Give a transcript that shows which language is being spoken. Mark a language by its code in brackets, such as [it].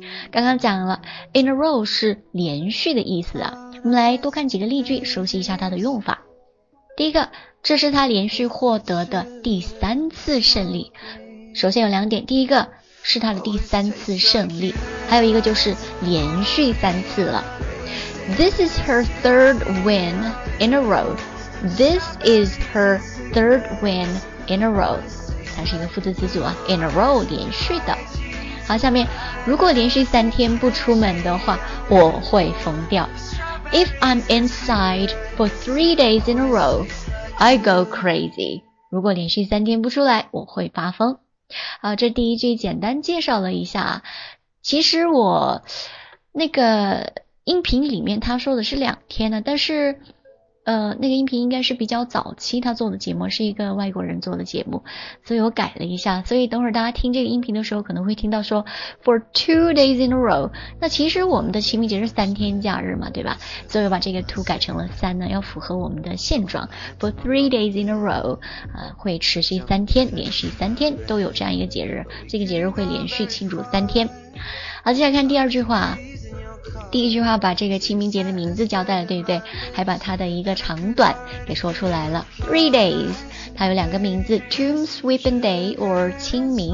[zh] 刚刚讲了 in a row 是连续的意思啊，我们来多看几个例句，熟悉一下它的用法。第一个，这是他连续获得的第三次胜利。首先有两点，第一个是他的第三次胜利，还有一个就是连续三次了。 [en] This is her third win in a row。 This is her third win in a row， [zh] 它是一个副词词组啊， [en] in a row 连续的。 [zh] 好，下面如果连续三天不出门的话我会疯掉。 [en] If I'm inside for 3 days in a row I go crazy， [zh] 如果连续三天不出来我会发疯。好，这第一句简单介绍了一下，其实我那个音频里面他说的是两天呢，但是那个音频应该是比较早期他做的节目，是一个外国人做的节目，所以我改了一下，所以等会儿大家听这个音频的时候可能会听到说 [en] for 2 days in a row， [zh] 那其实我们的清明节是三天假日嘛，对吧，所以我把这个 two 改成了三呢，要符合我们的现状。 [en] for 3 days in a row [zh] 会持续三天，连续三天都有这样一个节日，这个节日会连续庆祝三天。好，接下来看第二句话。第一句话把这个清明节的名字交代了，对不对，还把它的一个长短给说出来了。 [en] 3 days， [zh] 它有两个名字， [en] Tomb Sweeping Day or 清明。